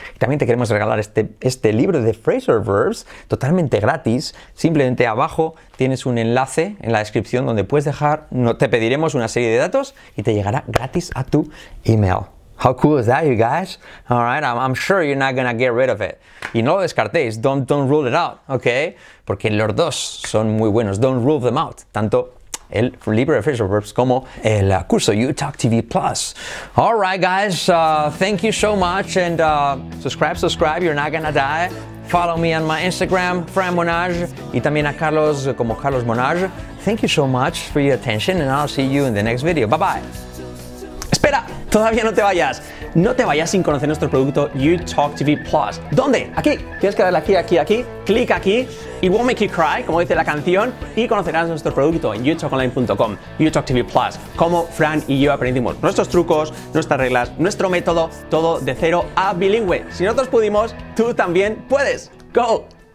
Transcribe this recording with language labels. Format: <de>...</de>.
<es>Y también te queremos regalar este libro de Phrasal Verbs totalmente gratis. Simplemente abajo tienes un enlace en la descripción donde puedes dejar, no, te pediremos una serie de datos y te llegará gratis a tu email.</es> <en>How cool is that, you guys? All right, I'm sure you're not gonna get rid of it.</en> <es>Y no lo descartéis,</es> <en>don't rule it out, okay?</en> <es>Porque los dos son muy buenos,</es> <en>don't rule them out.</en> <es>Tanto el libro de Phrasal Verbs como el curso U-Talk TV Plus.</es> <en>All right, guys, thank you so much. And subscribe, you're not gonna die. Follow me on my Instagram, Fran Monage.</en> <es>Y también a Carlos como Carlos Monage.</es> <en>thank you so much for your attention and I'll see you in the next video. Bye bye.</en> <es>Espera, todavía no te vayas. No te vayas sin conocer nuestro producto YouTalk TV Plus. ¿Dónde? Aquí. Tienes que darle aquí, aquí, aquí. Clic aquí.</es> <en>It won't make you cry,</en> <es>como dice la canción. Y conocerás nuestro producto en youtalkonline.com. YouTalk TV Plus. Cómo Fran y yo aprendimos nuestros trucos, nuestras reglas, nuestro método, todo de cero a bilingüe. Si nosotros pudimos, tú también puedes. ¡Go!</es>